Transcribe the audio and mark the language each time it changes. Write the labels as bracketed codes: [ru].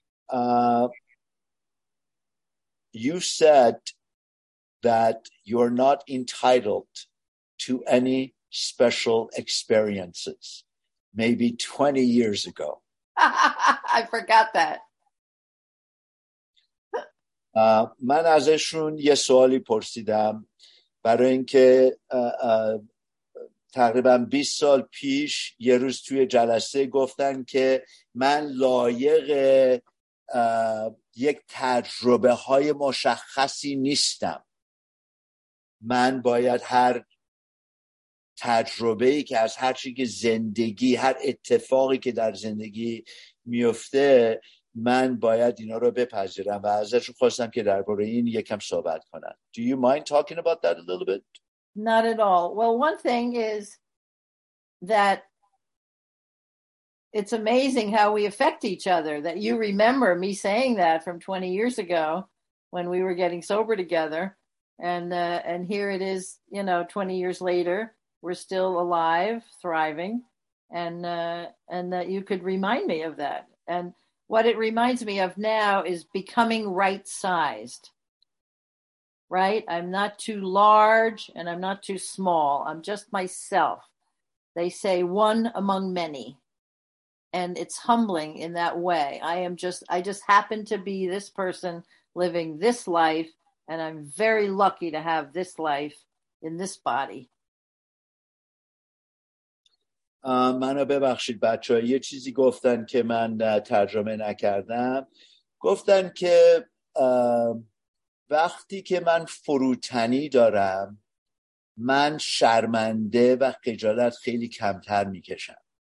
[en] You said that you're not entitled to any special experiences, maybe 20 years ago. I forgot that. [fa] من ازشون یه سوالی پرسیدم برای اینکه تقریبا 20 سال پیش یه روز توی جلسه گفتن که من لایق یک تجربه های مشخصی نیستم. من باید هر تجربه‌ای که از هر چی که زندگی، هر اتفاقی که در زندگی میفته، من باید اینا رو بپذیرم و ازش خواستم که درباره این یکم صحبت کنن. [en] Do you mind talking about that a little bit? Not at all. Well, one thing is that it's amazing how we affect each other, that you remember me saying that from 20 years ago when we were getting sober together, and here it is, you know, 20 years later, we're still alive, thriving, and that you could remind me of that. And what it reminds me of now is becoming right-sized, right? I'm not too large and I'm not too small. I'm just myself. They say one among many. And it's humbling in that way. I just happen to be this person living this life, and I'm very lucky to have this life in this body. [fa] منو ببخشید بچه ها، یه چیزی گفتن که من ترجمه نکردم. گفتن که وقتی که من فروتنی دارم، من شرمنده و خجالت خیلی کمتر میکشم.